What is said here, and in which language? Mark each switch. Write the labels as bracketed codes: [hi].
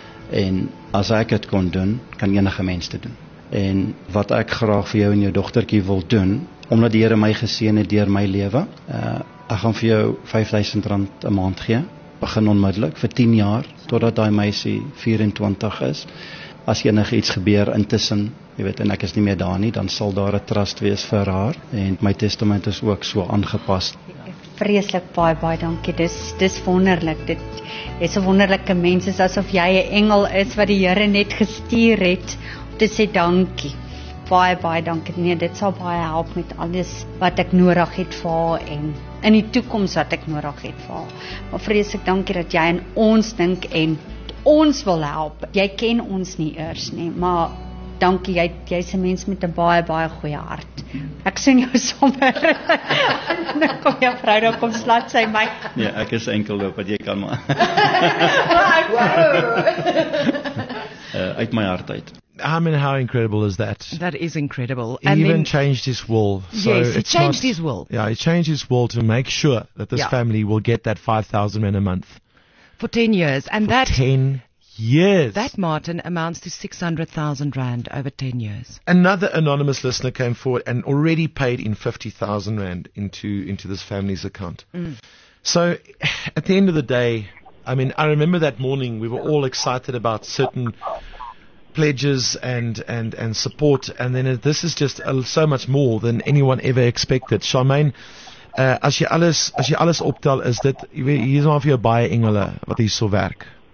[af] En as ek het kon doen, kan enige mens dit doen. En wat ek graag vir jou en jou dogtertjie wil doen, omdat die Here my geseën het deur my lewe, ek gaan vir jou R5000 'n maand gee. Begin onmiddellik vir 10 jaar totdat daai meisie 24 is. As enige iets gebeur intussen, jy weet, en ek is nie meer daar nie, dan sal daar 'n trust wees vir haar en my testament is ook so aangepas. Vreeslik baie baie dankie. Dis wonderlik. Dit is 'n wonderlike mens, is asof jy 'n engel is wat die Here net gestuur het om te sê dankie. Baie baie dankie. Nee, dit sal baie help met alles wat ek nodig het vir haar en in die toekoms wat ek nodig het vir haar. Maar vreeslik dankie dat jy aan ons dink en ons wil help. Jy ken ons nie eers nie, maar dankie, jy's 'n mens met 'n baie baie goeie hart. Ek sien jou sommer. Nou kom jou vrou nou kom slat sy my. Nee, ek is enkel loop wat jy kan maar. uit my hart uit. [en] I mean, how incredible is that? That is incredible. He and even changed his will. So yes, he changed his will. Yeah, he changed his will to make sure that this family will get that 5,000 rand a month. For 10 years. And for that 10 years. That, Martin, amounts to 600,000 rand over 10 years. Another anonymous listener came forward and already paid in 50,000 rand into this family's account. Mm. So at the end of the day, I mean, I remember that morning we were all excited about certain pledges and support, and then this is just so much more than anyone ever expected. [af] Charmaine, as jy alles optel, is dit hier is maar vir jou baie engele wat hier so werk.